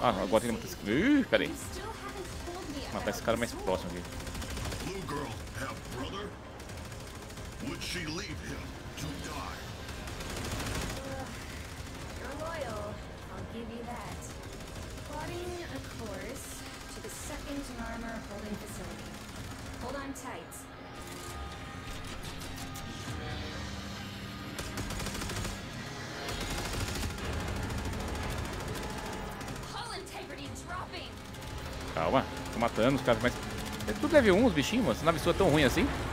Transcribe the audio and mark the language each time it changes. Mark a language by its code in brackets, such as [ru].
[pt] Ah, agora tem que matar esse cara. Pera aí. Matar esse cara mais próximo aqui. [en] Blue girl, have brother? Would she leave him to die? You're loyal, I'll give you plotting a course to the second Narmer holding facility. Hold on tight. Hull integrity dropping. [pt] Calma, tô matando os caras, mas é tudo level 1 os bichinhos, mano. Essa nave sua é tão ruim assim.